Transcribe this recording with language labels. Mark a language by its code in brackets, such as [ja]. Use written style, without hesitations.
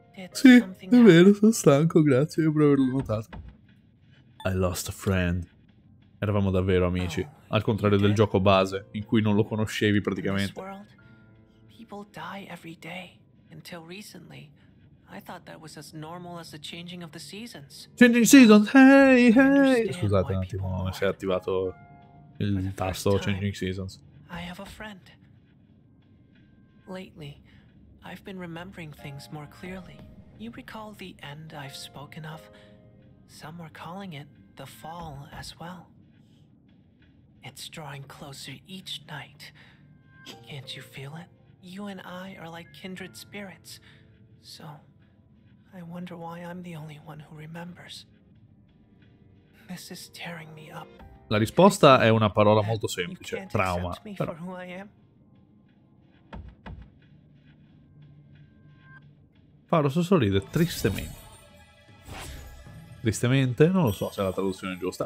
[it] Sì, è vero, sono stanco, grazie per averlo notato. [en] I lost a friend. [it] Eravamo davvero amici, al contrario del gioco base, in cui non lo conoscevi praticamente. [en] People die every day. Until recently, I thought that was as normal as the changing of the seasons. Changing seasons, hey, hey! [it] Scusate un attimo, mi si è attivato il tasto Changing Seasons. [en] I have a friend. Lately, I've been remembering things more clearly. You recall the end I've spoken of? Some were calling it the fall as well. It's drawing closer each night. Can't you feel it? You and I are like kindred spirits. So, I wonder why I'm the only one who remembers. This is tearing me up. [it] La risposta è una parola molto semplice: trauma. Però. Paolo sorride tristemente. Tristemente? Non lo so se è la traduzione giusta.